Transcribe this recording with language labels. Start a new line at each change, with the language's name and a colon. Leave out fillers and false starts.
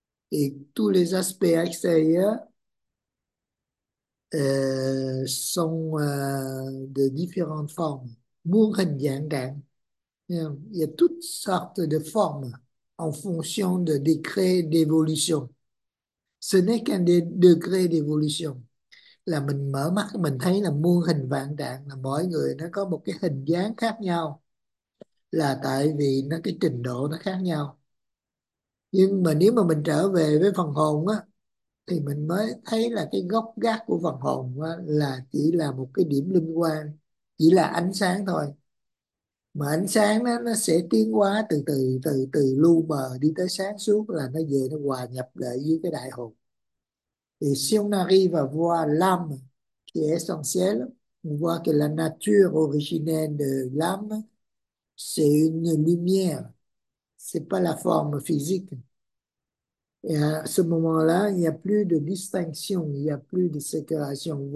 French: Et tous les aspects extérieurs sont de différentes formes.
Vietnamese: Muôn hình dạng trạng.
French: Il y a toutes sortes de formes en fonction de degré d'évolution. Ce n'est qu'un degré d'évolution.
Vietnamese: Là mình mở mắt, mình thấy là muôn hình vạn trạng, là mỗi người nó có một cái hình dáng khác nhau. Là tại vì nó cái trình độ nó khác nhau. Nhưng mà nếu mà mình trở về với phần hồn á, thì mình mới thấy là cái gốc gác của phần hồn á, là chỉ là một cái điểm liên quan, chỉ là ánh sáng thôi. Mà ánh sáng nó sẽ tiến hóa từ từ từ từ lu mờ đi tới sáng suốt, là nó về nó hòa nhập lại với cái đại hồn.
French: Thì si on arrive à voir l'âme qui est essentielle, on voit que la nature originelle de l'âme, c'est une lumière, c'est pas la forme physique. Et à ce moment-là, il n'y a plus de distinction, il n'y a plus de séparation.